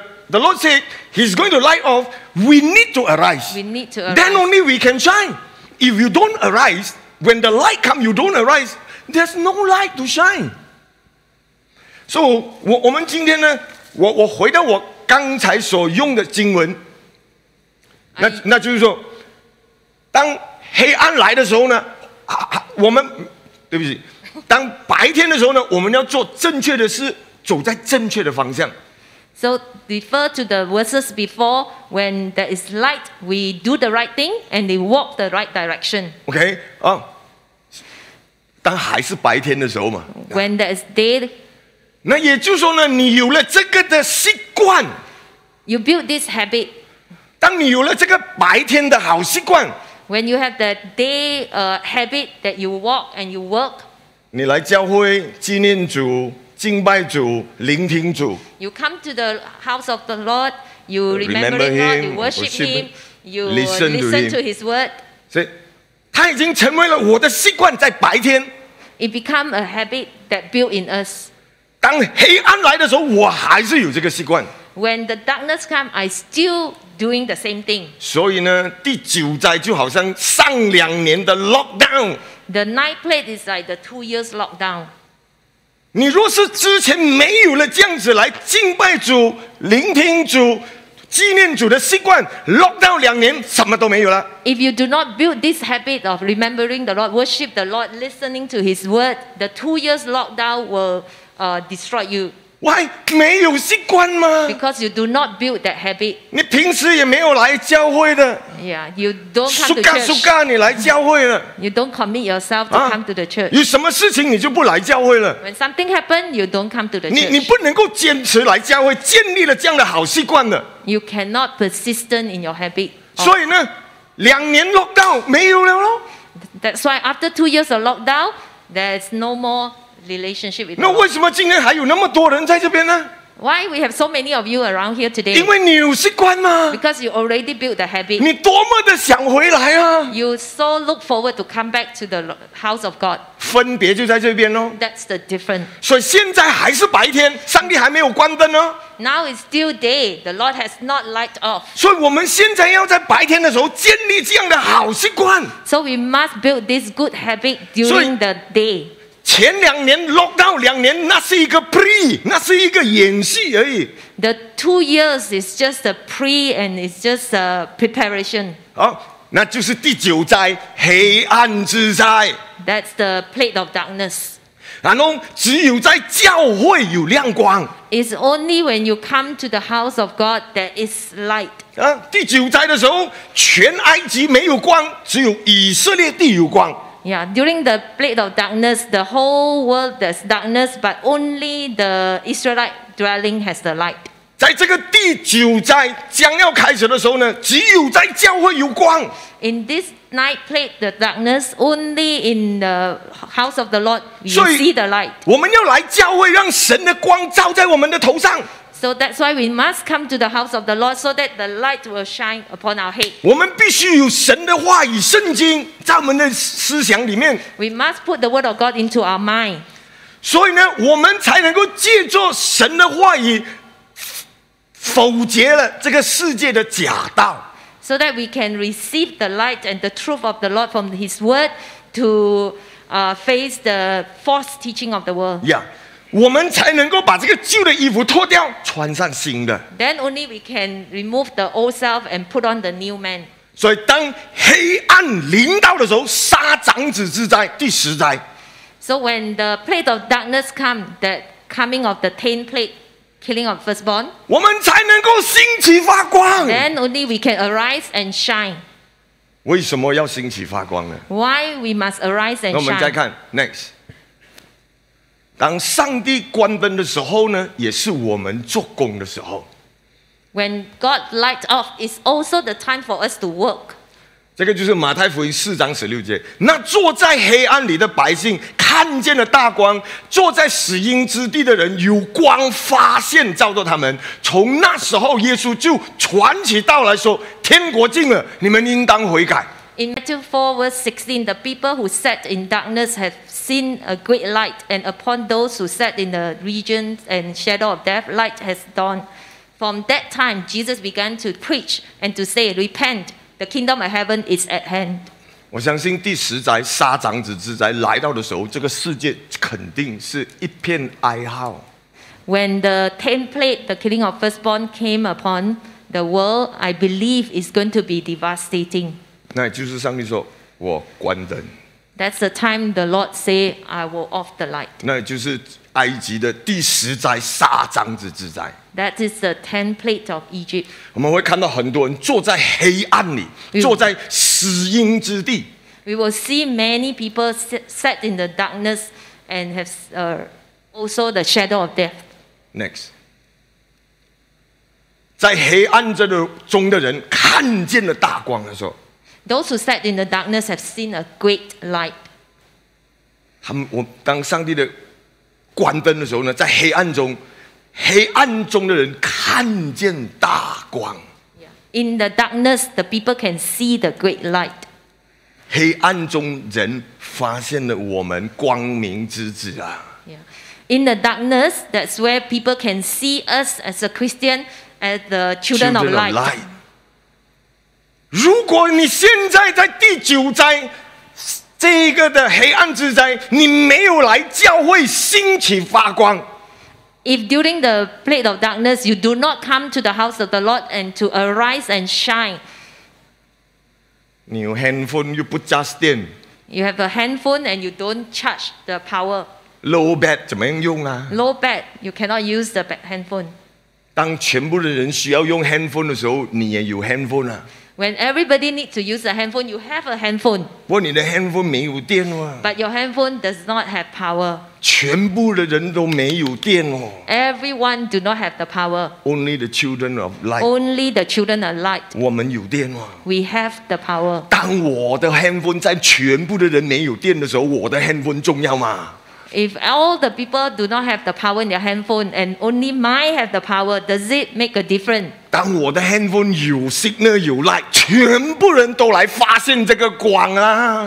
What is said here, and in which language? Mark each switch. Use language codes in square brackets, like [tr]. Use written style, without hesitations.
[en] The Lord said he's going to light off. We need to arise. We need to arise. Then only we can shine. If you don't arise, when the light comes, you don't arise, there's no light to shine. So, [zh] 我们今天呢，我回到我刚才所用的经文。那就是说，当黑暗来的时候呢，我们对不起，当白天的时候呢，我们要做正确的事，走在正确的方向。 [en] So refer to the verses before. When there is light, we do the right thing and they walk the right direction. Okay. [zh] 哦，当还是白天的时候嘛。 [en] When there is day. [zh] 那也就是说呢，你有了这个的习惯。 [en] You build this habit. [zh] 当你有了这个白天的好习惯。 [en] When you have the day habit that you walk and you work. [zh] 你来教会纪念主。敬拜主，聆听主。 [en] You come to the house of the Lord. You remember him. You worship him. You listen to his word. [zh] 所以，他已经成为了我的习惯，在白天。 [en] It become a habit that built in us. [zh] 当黑暗来的时候，我还是有这个习惯。 [en] When the darkness come, I still doing the same thing. [zh] 所以呢，第九灾就好像上两年的 lockdown. [en] The ninth plague is like the 2 years lockdown. [zh] 你若是之前没有了这样子来敬拜主、聆听主、纪念主的习惯 ，lockdown 两年什么都没有了。 [en] If you do not build this habit of remembering the Lord, worship the Lord, listening to His word, the 2 years lockdown will destroy you. Why [zh] 没有习惯吗 [en] ？Because you do not build that habit. [zh] 你平时也没有来教会的。 [en] Yeah, you don't come to church. [zh] 苏干苏干，你来教会了。 [en] You don't commit yourself to come to the church. [zh] 有什么事情你就不来教会了 [en] ？When something happen, you don't come to the church. [zh] 你不能够坚持来教会，建立了这样的好习惯的。 [en] You cannot persistent in your habit. [zh] 所以呢，两年 lockdown 没有了咯。 [en] That's why after 2 years of lockdown, there's no more relationship with. [zh] 那为什么今天还有那么多人在这边呢？ [en] Why we have so many of you around here today? [zh] 因为你有习惯吗 [en] Because you already built the habit. [zh] 你多么的想回来啊 [en] You so look forward to come back to the house of God. [zh] 分别就在这边哦 [en] That's the difference. [zh] 所以现在还是白天，上帝还没有关灯哦 [en] Now it's still day. The Lord has not light off. [zh] 所以我们现在要在白天的时候建立这样的好习惯 [en] So we must build this good habit during the day. [zh] 前两年 lockdown 两年，那是一个 pre， 那是一个演戏而已。 [en] The 2 years is just a pre and it's just a preparation. [zh] 好，那就是第九灾，黑暗之灾。 [en] That's the plate of darkness. [zh] 然后只有在教会有亮光。 [en] It's only when you come to the house of God that is light. [zh] 啊，第九灾的时候，全埃及没有光，只有以色列地有光。 [en] Yeah, during the plate of darkness, the whole world has darkness, but only the Israelite dwelling has the light. [zh] 在这个第九灾将要开始的时候呢，只有在教会有光。 [en] In this night plate, the darkness only in the house of the Lord you see the light. [zh] 我们要来教会，让神的光照在我们的头上。 [en] So that's why we must come to the house of the Lord so that the light will shine upon our head. [zh] 我们必须有神的话语圣经在我们的思想里面。 [en] We must put the word of God into our mind. [zh] 所以呢，我们才能够借着神的话语否决了这个世界的假道。 [en] So that we can receive the light and the truth of the Lord from his word to face the false teaching of the world. Yeah. [zh] 我们才能够把这个旧的衣服脱掉，穿上新的。 [en] Then only we can remove the old self and put on the new man. [zh] 所以当黑暗临到的时候，杀长子之灾，第十灾。 [en] So when the plate of darkness comes, the coming of the tenth plate, killing of firstborn. [zh] 我们才能够兴起发光。 [en] Then only we can arise and shine. [zh] 为什么要兴起发光呢 [en] ？Why we must arise and shine? [zh] 那我们再看 [en] next. [zh] 当上帝关灯的时候呢，也是我们做工的时候。 [en] When God lights off, it's also the time for us to work. [zh] 这个就是马太福音四章十六节。那坐在黑暗里的百姓看见了大光，坐在死荫之地的人有光发现照着他们。从那时候，耶稣就传起道来说：“天国近了，你们应当悔改。” [en] In Matthew 4 verse 16, the people who sat in darkness have. Seen a great light, and upon those who sat in the region and shadow of death, light has dawned. From that time, Jesus began to preach and to say, "Repent, the kingdom of heaven is at hand." [zh] 我相信第十灾杀长子之灾来到的时候，这个世界肯定是一片哀嚎。 [en] When the tenth plague, the killing of firstborn, came upon the world, I believe it's going to be devastating. [zh] 那就是上帝说，我关灯。 [en] That's the time the Lord say, I will off the light. [zh] 那就是埃及的第十灾杀长子之灾。 [en] That is the template of Egypt. [zh] 我们会看到很多人坐在黑暗里，坐在死荫之地。 [en] We will see many people sat in the darkness and have also the shadow of death. Next. [zh] 在黑暗中的人看见了大光的时候， [en] Those who sat in the darkness have seen a great light. [zh] 当上帝的关灯的时候呢，在黑暗中，黑暗中的人看见大光。 [en] In the darkness, the people can see the great light. [zh] 黑暗中人发现了我们光明之子啊。 [en] In the darkness, that's where people can see us as a Christian, as the children of light. [zh] 如果你现在在第九灾。这个的黑暗之灾，你没有来教会兴起发光。 [en] If during the plate of darkness you do not come to the house of the Lord and to arise and shine, [zh] 你有 handphone 又不 charge 电。 [en] You have a handphone and you don't charge the power. [zh] Low bat 怎么样用啊 [en] ？Low bat you cannot use the handphone. [zh] 当全部的人需要用 handphone 的时候，你也有 handphone 啊。 [en] When everybody needs to use a handphone, you have a handphone. [zh] 不过你的 handphone 没有电哦。 [en] But your handphone does not have power. [zh] 全部的人都没有电哦。 [en] Everyone do not have the power. Only the children of light. Only the children of light. [zh] 我们有电哦。 [en] We have the power. [zh] 当我的 handphone 在全部的人没有电的时候，我的 handphone 重要吗？ [en] If all the people do not have the power in their handphone and only mine have the power, does it make a difference? [zh] 当我的 handphone 有 signal 有 light， 全部人都来发现这个光啊！